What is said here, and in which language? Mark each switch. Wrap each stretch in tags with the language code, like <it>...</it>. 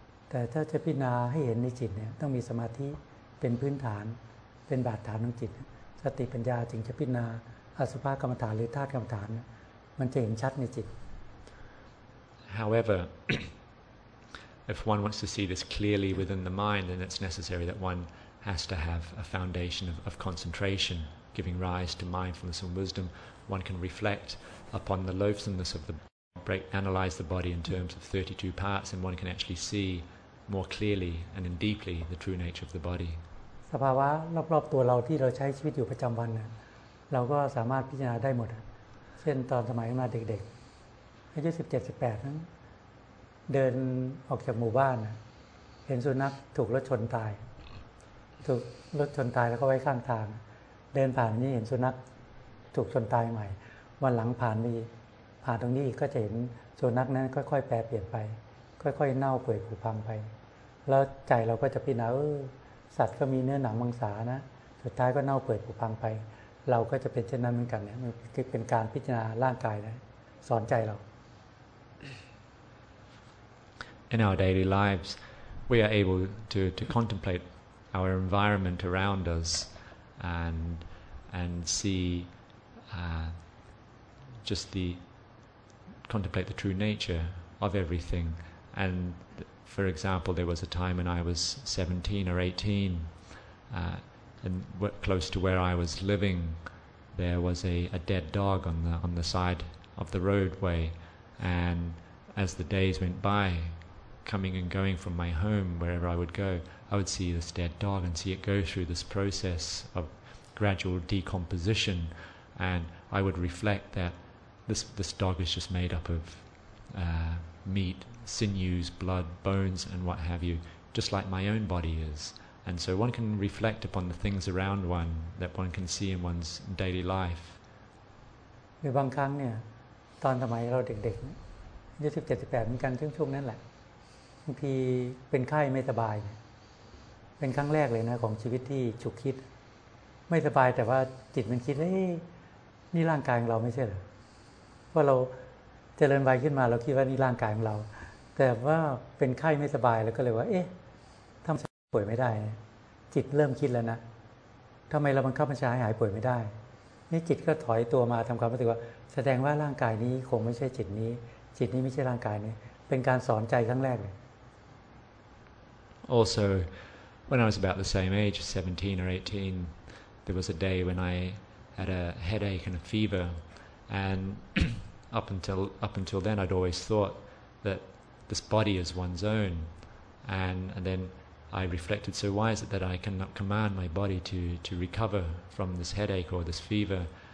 <th>แต่ถ้าจะพิจารณาให้เห็นในจิตเนี่ยต้องมีสมาธิเป็นพื้นฐานเป็นบาดฐานของจิตสติปัญญาจึงจะพิจารณาอสุภกรรมฐานหรือธาตุกรรมฐานมันจะเห็นชัดในจิต</th> <en>However, if one wants to see this clearly within the mind, then it's necessary that one has to have a foundation of concentration, giving rise to mindfulness and wisdom. One can reflect upon the loathsomeness of the. Analyze the body in terms of 32 parts, and one can actually see more clearly and in deeply the true nature of the body.</en> <th>สภาวะรอบๆตัวเราที่เราใช้ชีวิตอยู่ประจำวันเนี่ยเราก็สามารถพิจารณาได้หมดเช่นตอนสมัยมาเด็กๆอายุ17 18นั้นเดินออกจากหมู่บ้านเห็นสุนัขถูกรถชนตาย ถูกรถชนตายแล้วก็ไว้ข้างทางเดินผ่านนี่เห็นสุนัขถูกชนตายใหม่วันหลังผ่านนี่ผ่านตรงนี้ก็จะเห็นสุนัขนั้นค่อยๆแปรเปลี่ยนไปค่อยๆเน่าเปื่อยผุพังไปแล้วใจเราก็จะพิจารณาสัตว์ก็มีเนื้อหนังมังสานะสุดท้ายก็เน่าเปื่อยผุพังไปเราก็จะเป็นเช่นนั้นเหมือนกันเนี่ยมันเป็นการพิจารณาร่างกายนะสอนใจเรา</th> <en>In our daily lives we are able to contemplate our environment around us and see just theContemplate the true nature of everything. And for example, there was a time when I was 17 or 18, and close to where I was living, there was a dead dog on the side of the roadway. And as the days went by, coming and going from my home, wherever I would go, I would see this dead dog and see it go through this process of gradual decomposition, and I would reflect that this dog is just made up of meat, sinews, blood, bones, and what have you, just like my own body is. And so one can reflect upon the things around one that one can see in one's daily life.</en> <th>บางครั้งเนี่ยตอนสมัยเราเด็กๆ17-18เหมือนกันช่วงนั้นแหละบางทีเป็นไข้ไม่สบายเป็นครั้งแรกเลยนะของชีวิตที่ฉุกคิด ไม่สบายแต่ว่าจิตมันคิดเฮ้ยนี่ร่างกายของเราไม่ใช่เหรอว่าเราเจริญวัยขึ้นมาเราคิดว่านี่ร่างกายของเราแต่ว่าเป็นไข้ไม่สบายแล้วก็เลยว่าเอ๊ะทำไมฉันป่วยไม่ได้จิตเริ่มคิดแล้วนะทำไมเราบังคับบัญชาให้หายป่วยไม่ได้นี่จิตก็ถอยตัวมาทำความรู้สึกว่าแสดงว่าร่างกายนี้คงไม่ใช่จิตนี้จิตนี้ไม่ใช่ร่างกายนี้เป็นการสอนใจครั้งแรกเลย</th> <en>Also when I was about the same age 17 or 18 there was a day when I had a headache and a fever and up until then I'd always thought that this body is one's own and then I reflected, so why is it that I cannot command my body to recover from this headache or this fever?</en>